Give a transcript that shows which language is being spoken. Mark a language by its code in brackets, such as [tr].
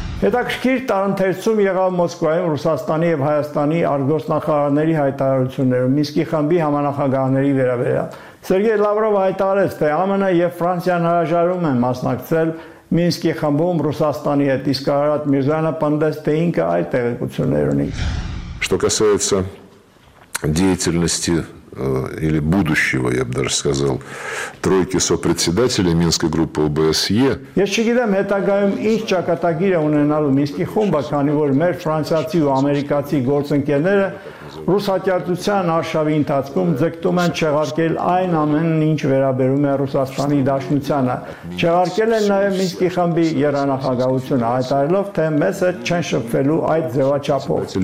[hy] Հետաքրքիր տարընթերցում եղավ Մոսկվայում Ռուսաստանի և Հայաստանի արտգործնախարարների հայտարարություններում Մինսկի խմբի համանախագահների վերաբերյալ։ Սերգեյ Լավրովը հայտարարեց, թե ԱՄՆ-ը և Ֆրանսիան հրաժարվում են մասնակցել Մինսկի խմբում Ռուսաստանի հետ, իսկ Արարատ Միրզոյանը պնդեց, թե ինքը այլ տեղեկություններ ունի։ [ru] Что касается деятельности или будущего, я бы даже сказал, тройки сопредседателей Минской группы ОБСЕ. [hy] Ես չգիտեմ հետագայում ինչ ճակատագիր ունենալու Մինսկի խումբը, քանի որ մեր ֆրանսիացի ու ամերիկացի գործընկերները Ռուսաճարտության արշավի ընթացքում ձգտում են չեղարկել այն ամենն, ինչ վերաբերում է Ռուսաստանի Դաշնությանը։ Չեղարկել են նաև Մինսկի խմբի եռանախագահությունը, հայտարարելով, թե մեզը չեն շփվելու այդ ձևաչափով։